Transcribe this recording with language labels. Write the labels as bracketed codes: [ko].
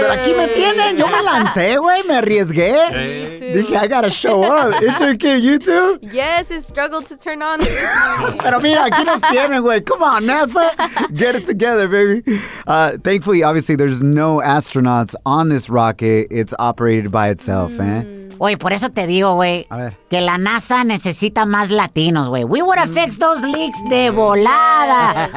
[es] Pero aquí me tienen. Yo me lancé, güey. Me arriesgué. Me dije, [en] I gotta show up. Intercam, you too? Yes, it struggled to turn on. [es] Pero mira, aquí nos tienen, güey. [en] Come on, NASA. Get it together, baby. Thankfully, obviously, there's no astronauts on this rocket. It's operated by itself, eh? [es] Oye, por eso te digo, güey, que la NASA necesita más latinos, güey. [en] We would have fixed those leaks [es] de volada.